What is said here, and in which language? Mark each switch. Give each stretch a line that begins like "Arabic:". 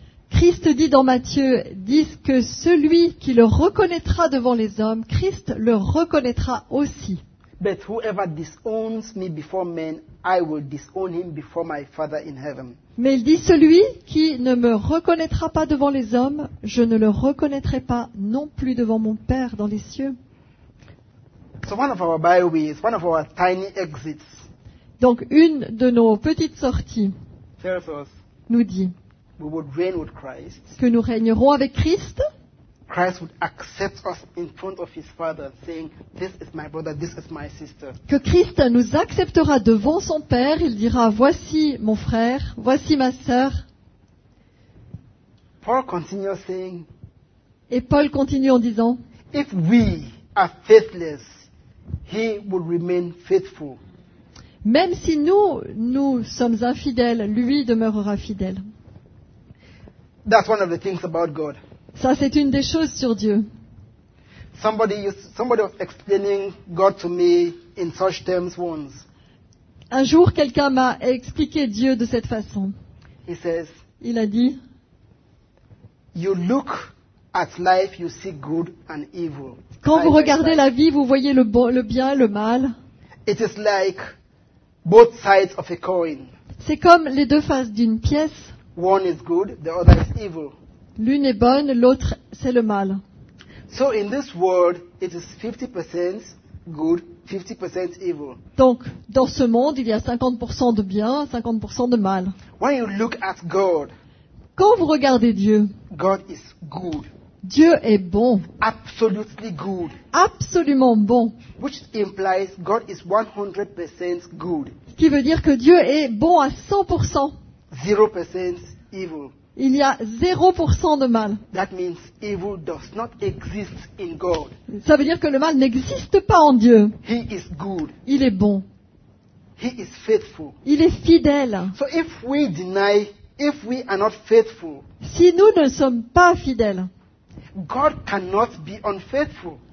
French: Christ dit dans Matthieu 10 que celui qui le reconnaîtra devant les hommes, Christ le reconnaîtra aussi.
English: But whoever disowns me before men, I will disown him before my Father in heaven.
French: Mais il dit, celui qui ne me reconnaîtra pas devant les hommes, je ne le reconnaîtrai pas non plus devant mon Père dans les cieux.
English: So one of our byways, one of our tiny exits.
French: Donc une de nos petites sorties
English: tells us,
French: nous dit,
English: we would reign with Christ.
French: Que nous régnerons avec Christ.
English: Christ would accept us in front of his Father, saying, "This is my brother, this is my sister."
French: Que Christ nous acceptera devant son Père, il dira, "Voici mon frère, voici ma sœur."
English: Paul continues saying,
French: et Paul continue en disant,
English: "If we are faithless, he would remain faithful."
French: Même si nous, nous sommes infidèles, lui demeurera fidèle.
English: That's one of the things about God.
French: Ça, c'est une des choses sur Dieu.
English: Somebody was explaining God to me in such terms once.
French: Un jour, quelqu'un m'a expliqué Dieu de cette façon.
English: He says,
French: il a dit,
English: you look at life, you see good and evil.
French: Quand vous regardez la vie, vous voyez le bien, le mal.
English: It is like both sides of a coin.
French: C'est comme les deux faces d'une pièce.
English: One is good, the other is evil.
French: L'une est bonne, l'autre c'est le mal.
English: So in this world, it is 50% good, 50% evil.
French: Donc dans ce monde, il y a 50% de bien, 50% de mal.
English: When you look at God,
French: quand vous regardez Dieu,
English: God is good.
French: Dieu est bon.
English: Absolutely good.
French: Absolument bon.
English: Which implies God is 100% good.
French: Qui veut dire que Dieu est bon à 100%.
English: 0% evil.
French: Il y a 0% de mal.
English: That means evil does not exist in God.
French: Ça veut dire que le mal n'existe pas en Dieu.
English: He is good.
French: Il est bon.
English: He is faithful.
French: Il est fidèle.
English: So if we deny, if we are not faithful,
French: si nous ne sommes pas fidèles,
English: God cannot be unfaithful.